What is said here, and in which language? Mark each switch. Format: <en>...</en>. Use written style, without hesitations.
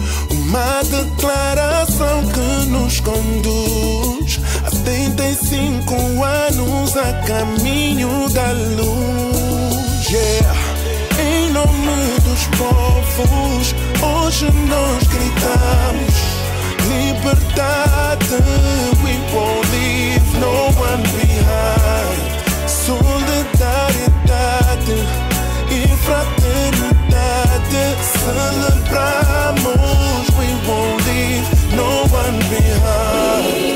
<pt>Uma declaração que nos conduz a 35 anos a caminho da luz. Yeah. Em nome dos povos, hoje nós gritamos liberdade.</pt> <en>We won't leave no one behind.</en> <pt>Solidariedade e fraternidade, celebramos.</pt> <en>We won't leave no one behind.</en>